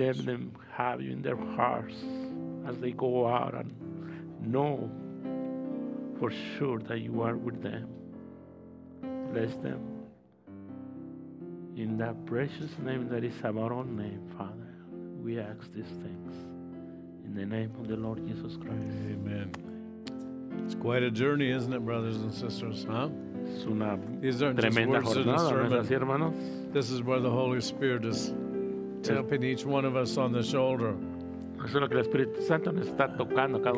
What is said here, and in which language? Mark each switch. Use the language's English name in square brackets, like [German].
[English] Let them have you in their hearts as they go out and know for sure that you are with them. Bless them in that precious name that is our own name, Father. We ask these things in the name of the Lord Jesus Christ. Amen. It's quite a journey, isn't it, brothers and sisters? Huh? [Spanish] Es una tremenda jornada, ¿no es así, hermanos? [English] This is where the Holy Spirit is tapping each one of us on the shoulder. [Spanish] Eso es lo que el Espíritu Santo nos está tocando cada